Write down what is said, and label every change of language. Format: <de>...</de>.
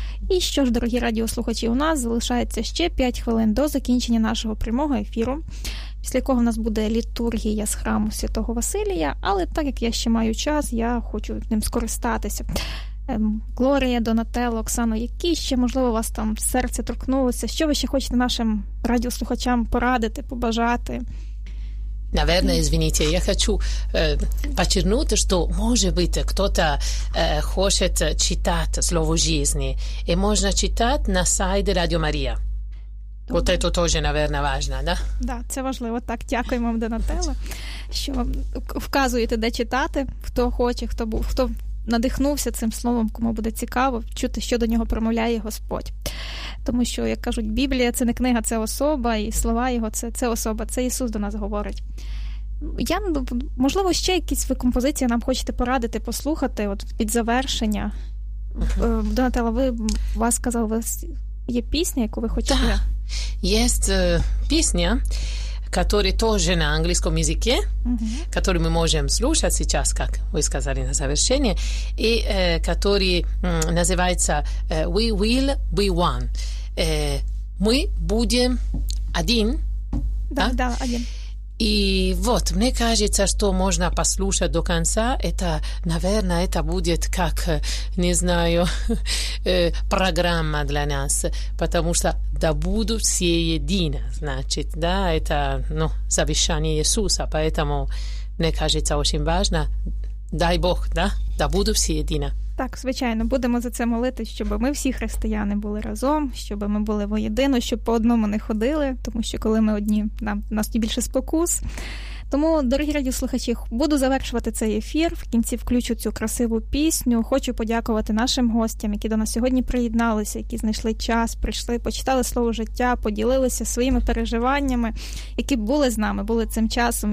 <uk>І що ж, дорогі радіослухачі, у нас залишається ще 5 хвилин до закінчення нашого прямого ефіру, після якого в нас буде літургія з храму Святого Василія, але так як я ще маю час, я хочу ним скористатися. Глорія, Донателло, Оксано, які ще, можливо, у вас там серце торкнулося? Що ви ще хочете нашим радіослухачам порадити, побажати?</uk> <ru>Наверное, извините, я хочу подчеркнуть, что, может быть, кто-то хочет читать «Слово жизни», и можно читать на сайте Радио Мария. Вот это тоже, наверное, важно, да?</ru> <uk>Да, це важливо. Так, дякуємо вам, Донателло, що вказуєте, де читати, хто хоче, хто надихнувся цим словом, кому буде цікаво чути, що до нього промовляє Господь. Тому що, як кажуть, Біблія – це не книга, це особа, і слова його – це особа, це Ісус до нас говорить. Я, можливо, ще якісь ви композиції нам хочете порадити, послухати, от під завершення.</uk> <en>Okay.</en> <uk>Донателло, ви, у вас сказали, у вас є пісня, яку ви хочете? Так, да.</uk> <ru>Є пісня, который тоже на английском языке, который мы можем слушать сейчас, как вы сказали на завершение, и который называется «We will be one». Мы будем один. Да, да, один. И вот, мне кажется, что можно послушать до конца. Это, наверное, это будет как, не знаю, программа для нас. Потому что «да буду все едино», значит, да, это, ну, завещание Иисуса. Поэтому, мне кажется, очень важно, дай Бог, да, «да буду все едино».</ru> <uk>Так, звичайно, будемо за це молитись, щоб ми всі християни були разом, щоб ми були воєдино, щоб по одному не ходили, тому що коли ми одні, нас більше спокус. Тому, дорогі радіослухачі, буду завершувати цей ефір, в кінці включу цю красиву пісню. Хочу подякувати нашим гостям, які до нас сьогодні приєдналися, які знайшли час, прийшли, почитали слово життя, поділилися своїми переживаннями, які були з нами, були цим часом.</uk>